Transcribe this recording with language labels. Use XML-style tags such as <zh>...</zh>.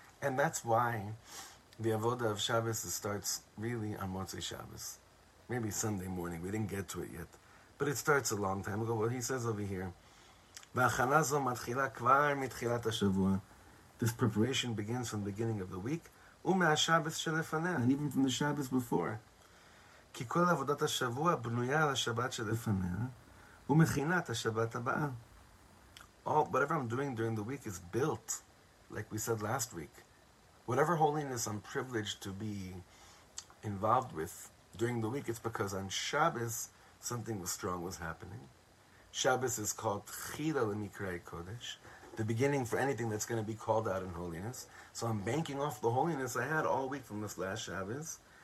<en>And that's why the Avodah of Shabbos starts really on Motzei Shabbos. Maybe Sunday morning, we didn't get to it yet. But it starts a long time ago. What he says over here,</en> <he>V'achana zo matchila kvar mitchilat ha-shavua.</he> <en>This preparation begins from the beginning of the week.</en> <he>U'me'a Shabbos shelefaneh.</he> <en>And even from the Shabbos before.</en> <he>כי כל עבודת השבוע בנויה על השבת שלפניה, ומכינה את השבת הבאה.</he> <en>All, whatever I'm doing during the week is built, like we said last week. Whatever holiness I'm privileged to be involved with during the week, it's because on Shabbos, something strong was happening. Shabbos is called Tchila L'Mikrei Kodesh, the beginning for anything that's going to be called out in holiness. So I'm banking off the holiness I had all week from this last Shabbos,</en>